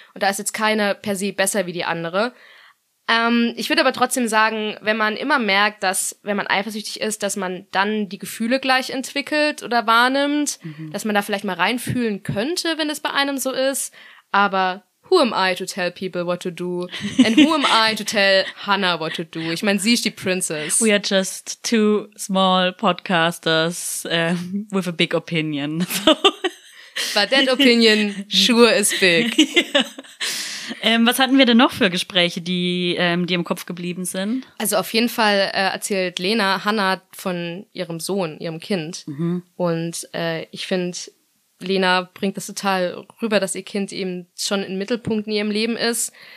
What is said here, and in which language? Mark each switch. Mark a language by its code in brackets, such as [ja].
[de] Und da ist jetzt keine per se besser wie die andere. Ich würde aber trotzdem sagen, wenn man immer merkt, dass, wenn man eifersüchtig ist, dass man dann die Gefühle gleich entwickelt oder wahrnimmt, dass man da vielleicht mal reinfühlen könnte, wenn es bei einem so ist, aber [en] who am I to tell people what to do and who am I to tell Hannah what to do? [de] Ich meine, sie ist die Princess. [en] We are just two small podcasters with a big opinion. But that opinion sure is big. Yeah. [de] Was hatten wir denn noch für Gespräche, die die im Kopf geblieben sind? Also auf jeden Fall erzählt Lena Hannah von ihrem Sohn, ihrem Kind. Mhm. Und ich finde, Lena bringt das total rüber, dass ihr Kind eben schon im Mittelpunkt in ihrem Leben ist.